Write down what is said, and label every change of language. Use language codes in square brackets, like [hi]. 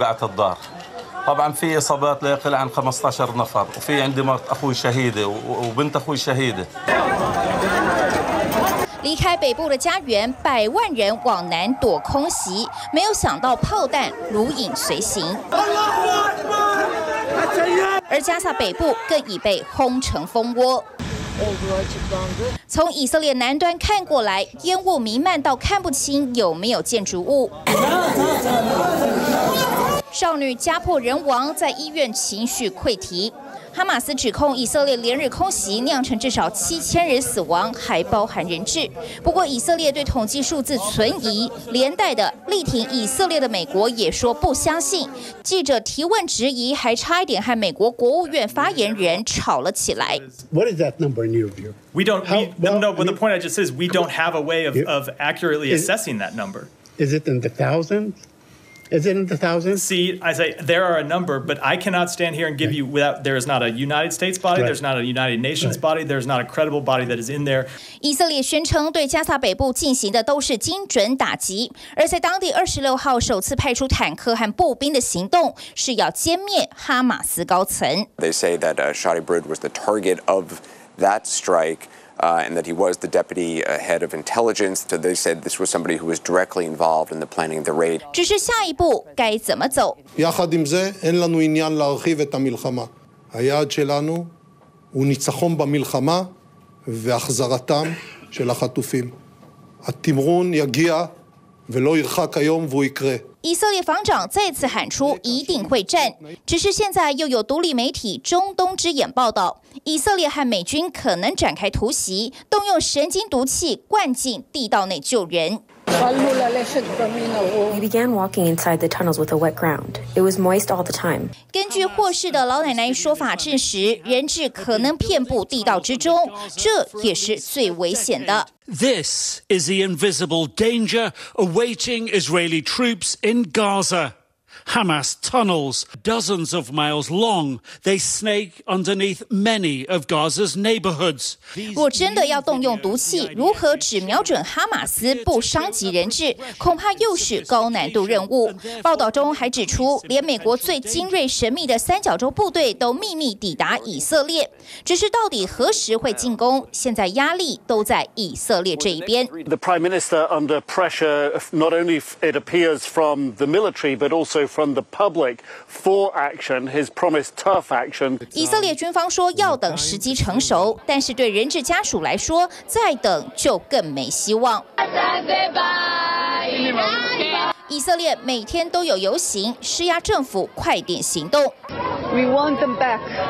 [ar] طبعا في اصابات لا يقل عن 15 نفر وفي عندي مرت اخوي شهيده وبنت اخوي شهيده。 [zh] 离开北部的家园，百万人往南躲空袭，没有想到炮弹如影随形。而加萨北部更已被轰成蜂窝。从以色列南端看过来，烟雾弥漫到看不清有没有建筑物。少女家破人亡，在医院情绪溃堤。哈马斯指控以色列连日空袭酿成至少7000人死亡，还包含人质。不过以色列对统计数字存疑，连带的力挺以色列的美国也说不相信。记者提问质疑，还差一点和美国国务院发言人吵了起来。 [en] What is that number in your view? We don't. But the point I just said is we don't have a way of accurately assessing that number. Is it in the thousands? Is it in the thousands? See, I say there are a number, but I cannot stand here and give you without, there is not a United States body, there's not a United Nations body, there's not a credible body that is in there. [zh] 以色列宣称对加萨北部进行的都是精准打击，而在当地26号首次派出坦克和步兵的行动是要歼灭哈马斯高层。 [en] They say that Shadi Brid was the target of that strike. And that he was the deputy head of intelligence. So they said this was somebody who was directly involved in the planning of the raid. [zh] 只是下一步该怎么走？ [he] יחד עם זה, אין לנו עניין להרחיב את המלחמה. היעד שלנו הוא ניצחון במלחמה והחזרתם של החטופים. התמרון יגיע ולא ירחק היום והוא יקרה. [zh] 以色列防长再次喊出一定会战，只是现在又有独立媒体中东之眼报道，以色列和美军可能展开突袭，动用神经毒气灌进地道内救人。 [en] He began walking inside the tunnels with a wet ground. It was moist all the time. [zh] 根据获释的老奶奶说法证实，人质可能遍布地道之中，这也是最危险的。 [en] This is the invisible danger awaiting Israeli troops in Gaza. Hamas tunnels, dozens of miles long, they snake underneath many of Gaza's neighborhoods. [zh] 若真的要动用毒气，如何只瞄准哈马斯不伤及人质，恐怕又是高难度任务。报道中还指出，连美国最精锐神秘的三角洲部队都秘密抵达以色列，只是到底何时会进攻，现在压力都在以色列这一边。 [en] The Prime Minister under pressure, not only it appears from the military, but also from the public for action, his promised tough action. [zh] 以色列军方说要等时机成熟，但是对人质家属来说，再等就更没希望。以色列每天都有游行，施压政府快点行动。 [en] We want them back.